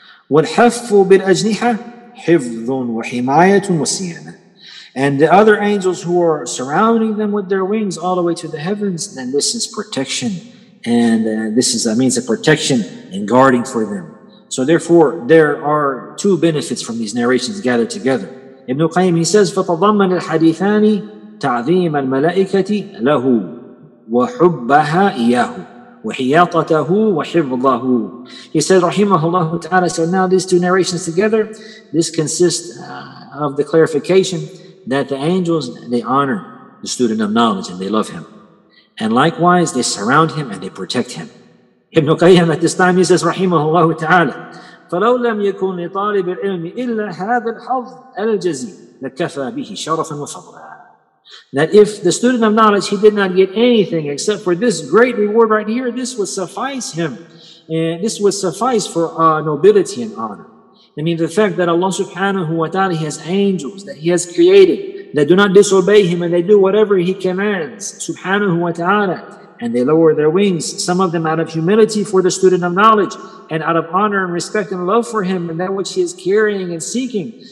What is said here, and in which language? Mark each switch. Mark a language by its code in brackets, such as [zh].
[ar] وَالْحَفُّ بِالْأَجْنِحَ حِفْظٌ وَحِمَايَةٌ وَصِيَانَةٌ. [en] And the other angels who are surrounding them with their wings all the way to the heavens, then this is protection. And this is a means of protection and guarding for them. So therefore, there are two benefits from these narrations gathered together. Ibn Qayyim, he says, [ar] فَتَضَمَّنَ الْحَدِيثَانِ تَعْظِيمَ الْمَلَائِكَةِ لَهُ وَحُبَّهَا إِيَّهُ وَحِيَاطَتَهُ وَحِفْظَهُ. [en] He said, rahimahullah ta'ala, so now these two narrations together, this consists of the clarification that the angels, they honor the student of knowledge and they love him. And likewise, they surround him and they protect him. Ibn Qayyim at this time, he says, rahimahullah ta'ala, [ar] فَلَوْ لَمْ يَكُنْ لِطَالِبِ الْعِلْمِ إِلَّا هَذَا الْحَظِ الْجَزِيلِ لَكَفَى بِهِ شَرَفًا وَفَضْلًا. [en] That if the student of knowledge, he did not get anything except for this great reward right here, this would suffice him. And this would suffice for nobility and honor. I mean, the fact that Allah subhanahu wa ta'ala, he has angels that he has created that do not disobey him, and they do whatever he commands, subhanahu wa ta'ala, and they lower their wings, some of them out of humility for the student of knowledge, and out of honor and respect and love for him, and that which he is carrying and seeking.